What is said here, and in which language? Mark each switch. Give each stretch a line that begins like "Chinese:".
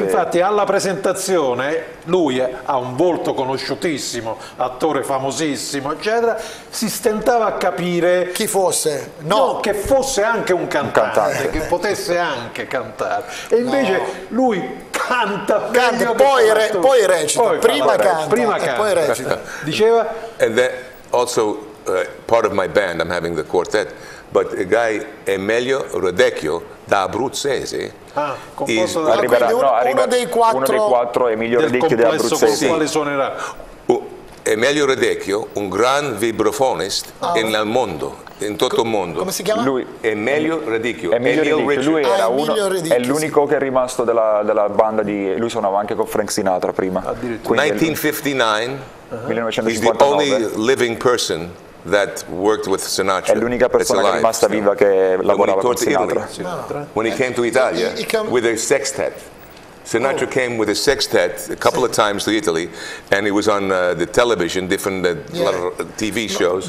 Italian: Infatti alla presentazione lui ha un volto conosciutissimo, attore famosissimo, eccetera, si stentava a capire chi fosse, che fosse anche un cantante che potesse anche cantare, e invece lui canta poi recita prima canta. Diceva,
English: and then also part of my band, I'm having the quartet, but the guy Emilio Rodecchio
Italian: da Abruzzese, uno dei quattro Emilio Rodecchio da Abruzzese, quale suonerà Emilio Rodecchio, un gran vibrofonist nel mondo, in tutto il mondo. Come si chiama? Lui, Emilio Rodecchio. Lui è l'unico che è rimasto della banda di... Lui suonava anche con Frank Sinatra prima. 1959, uh-huh. 1959.
English: He's the only living person that worked with Sinatra.
Italian: È l'unica persona che è rimasta viva che lavorava con Sinatra.
English: When he came to Italia with a sextet. Sinatra came with a sextet a couple of times to Italy, and he was on the television, different TV shows.